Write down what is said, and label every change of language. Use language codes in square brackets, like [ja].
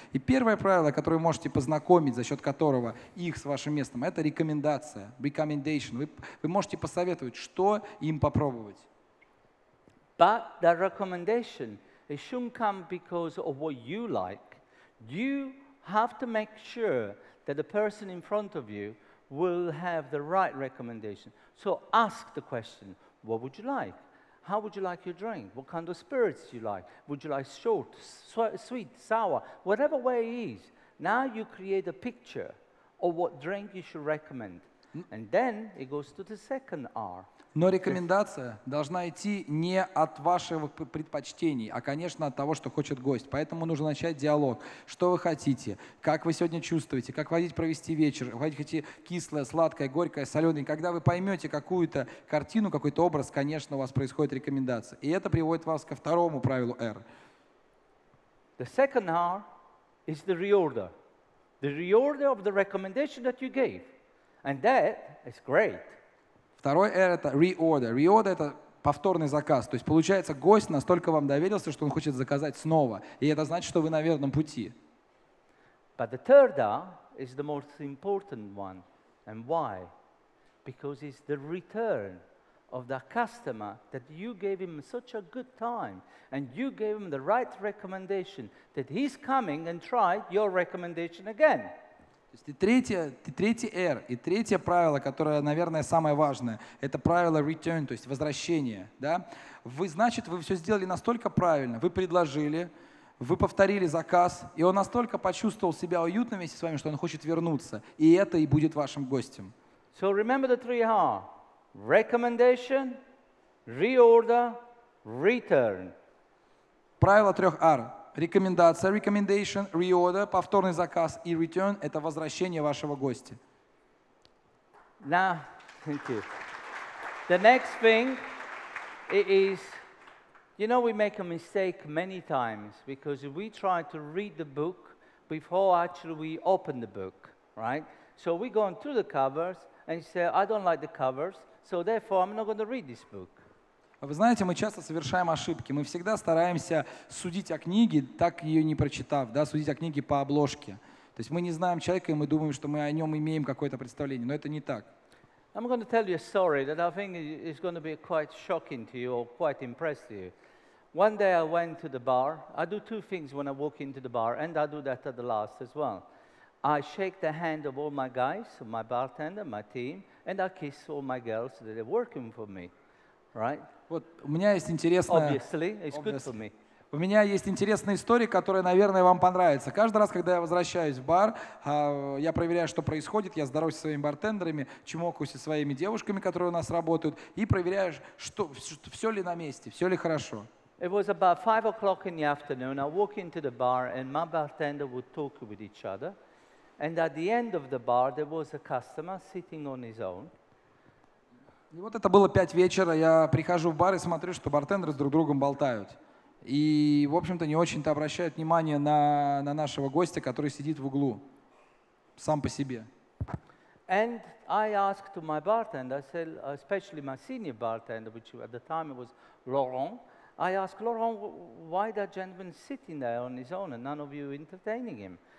[ru] И первое правило, которое вы можете познакомить, за счет которого их с вашим местом, это рекомендация, recommendation. Вы можете посоветовать, что им попробовать. [en] But the recommendation, it shouldn't come because of what you like. You have to make sure that the person in front of you will have the right recommendation. So ask the question, what would you like? How would you like your drink? What kind of spirits do you like? Would you like short, sweet, sour? Whatever way it is, now you create a picture of what drink you should recommend. And then it goes to the second R. [ru] Но рекомендация должна идти не от ваших предпочтений, а, конечно, от того, что хочет гость. Поэтому нужно начать диалог. Что вы хотите? Как вы сегодня чувствуете? Как хотите провести вечер? Вы хотите кислое, сладкое, горькое, соленое? Когда вы поймете какую-то картину, какой-то образ, конечно, у вас происходит рекомендация. И это приводит вас ко второму правилу R. [en] The second R is the reorder. The reorder of the recommendation that you gave. And that is great. [ru] Второй R – это reorder. Reorder – это повторный заказ. То есть получается, гость настолько вам доверился, что он хочет заказать снова. И это значит, что вы на верном пути. [en] But the third R is the most important one. And why? Because it's the return of the customer that you gave him such a good time and you gave him the right recommendation that he's coming and try your recommendation again. [ru] То есть третье R и третье правило, которое, наверное, самое важное, это правило return, то есть возвращение, да? Вы, значит, вы все сделали настолько правильно, вы предложили, вы повторили заказ, и он настолько почувствовал себя уютно вместе с вами, что он хочет вернуться, и это и будет вашим гостем. [en] So remember the three R: recommendation, reorder, return. [ru] Правило трех R. Рекомендация, recommendation, reorder, повторный заказ и return – это возвращение вашего гостя. [en] Now, thank you. The next thing is, you know, we make a mistake many times because we try to read the book before actually we open the book, right? So we go through the covers and say, I don't like the covers, so therefore I'm not going to read this book. [ru] Вы знаете, мы часто совершаем ошибки. Мы всегда стараемся судить о книге, так ее не прочитав, да, судить о книге по обложке. То есть мы не знаем человека, и мы думаем, что мы о нем имеем какое-то представление, но это не так. [en] I'm going to tell you a story that I think is going to be quite shocking to you or quite impressed to you. One day I went to the bar. I do two things when I walk into the bar, and I do that at the last as well. I shake the hand of all my guys, my bartender, my team, and I kiss all my girls that are working for me. Right? [ru] Вот у меня есть интересная. [en] Obviously, it's good for me. [ru] У меня есть интересная история, которая, наверное, вам понравится. Каждый раз, когда я возвращаюсь в бар, я проверяю, что происходит. Я здороваюсь со своими бартендерами, чмокаюсь со своими девушками, которые у нас работают, и проверяю, что все ли на месте, все ли хорошо. [en] It was about 5 o'clock in the afternoon. I walk into the bar, and my bartender would talk with each other. And at the end of the bar, there was a customer sitting on his own. [ru] И вот это было 5 вечера, я прихожу в бар и смотрю, что бартендеры с друг другом болтают. И, в общем-то, не очень-то обращают внимание на нашего гостя, который сидит в углу, сам по себе. [en] And I asked to my bartender, I said, especially my senior bartender, which at the time was Laurent, I asked, Laurent, why that gentleman sitting there on his own and none of you entertaining him?